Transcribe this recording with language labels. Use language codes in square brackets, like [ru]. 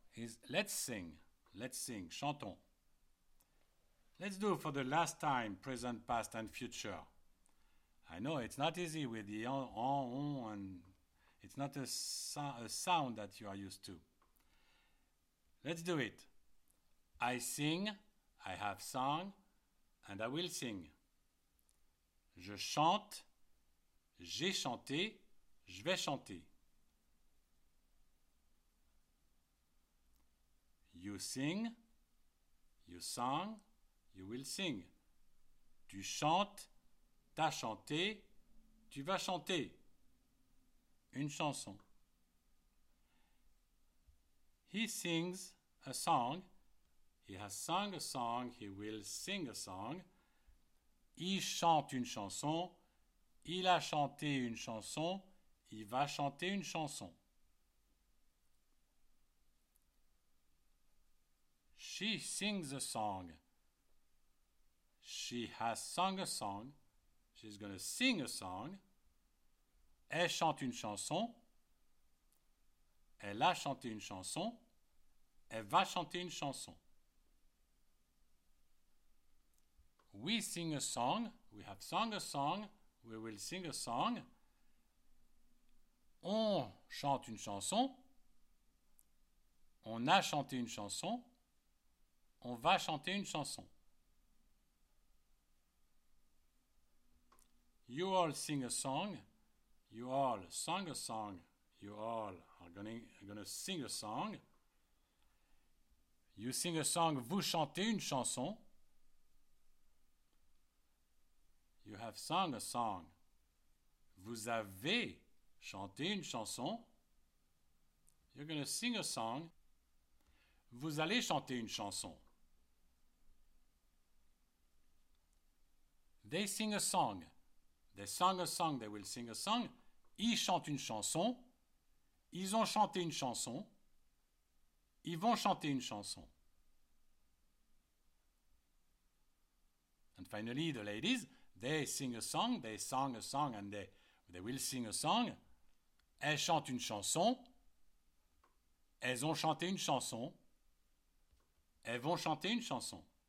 [en] Is let's sing, chantons. Let's do for the last time, present, past, and future. I know it's not easy with the on, and it's not a sound that you are used to. Let's do it. I sing, I have song, and I will sing. [fr] Je chante, j'ai chanté, je vais chanter. [en] You sing, you sang, you will sing. [fr] Tu chantes, t'as chanté, tu vas chanter. Une chanson. [en] He sings a song, he has sung a song, he will sing a song. [fr] Il chante une chanson, il a chanté une chanson, il va chanter une chanson. [en] She sings a song. She has sung a song. She's going to sing a song. [fr] Elle chante une chanson. Elle a chanté une chanson. Elle va chanter une chanson. [en] We sing a song. We have sung a song. We will sing a song. [fr] On chante une chanson. On a chanté une chanson. On va chanter une chanson. [en] You all sing a song. You all sang a song. You all are gonna sing a song. You sing a song. [fr] Vous chantez une chanson. [en] You have sung a song. [fr] Vous avez chanté une chanson. [en] You're gonna sing a song. [fr] Vous allez chanter une chanson. [en] They sing a song. They sang a song. They will sing a song. [fr] Ils chantent une chanson. Ils ont chanté une chanson. Ils vont chanter une chanson. [en] And finally, the ladies, they sing a song. They sang a song and they will sing a song. [fr] Elles chantent une chanson. Elles ont chanté une chanson. Elles vont chanter une chanson.